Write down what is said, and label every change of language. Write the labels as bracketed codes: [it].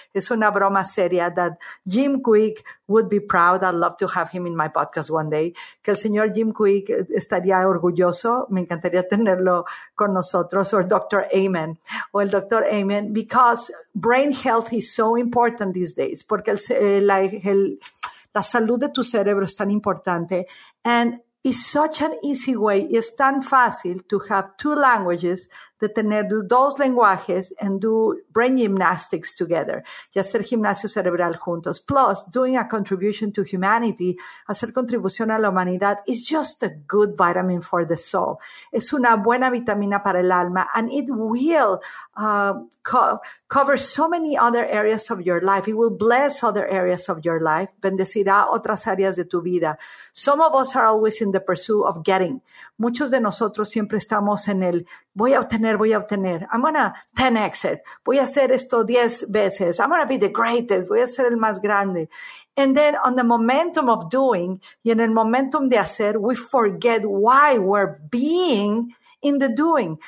[es] Es una broma seria [en] that Jim Quick would be proud. I'd love to have him in my podcast one day. [es] Que el señor Jim Quick estaría orgulloso. Me encantaría tenerlo con nosotros. [en] Or Dr. Amen. [es] O el Dr. Amen. [en] Because brain health is so important these days. [es] Porque la salud de tu cerebro es tan importante. [en] And it's such an easy way. It's [es] tan fácil [en] to have two languages, [es] de tener dos lenguajes [en] and do brain gymnastics together. [es] Y hacer gimnasio cerebral juntos. [en] Plus, doing a contribution to humanity, [es] hacer contribución a la humanidad, [en] is just a good vitamin for the soul. [es] Es una buena vitamina para el alma. [en] And it will cover so many other areas of your life. It will bless other areas of your life. [es] Bendecirá otras áreas de tu vida. [en] Some of us are always in the pursuit of getting. [es] Muchos de nosotros siempre estamos en el voy a obtener. [en] I'm going to 10x it. [es] Voy a hacer esto 10 veces. [en] I'm going to be the greatest. [es] Voy a ser el más grande. [en] And then on the momentum of doing, [es] y en el momentum de hacer, [en] we forget why we're being in the doing.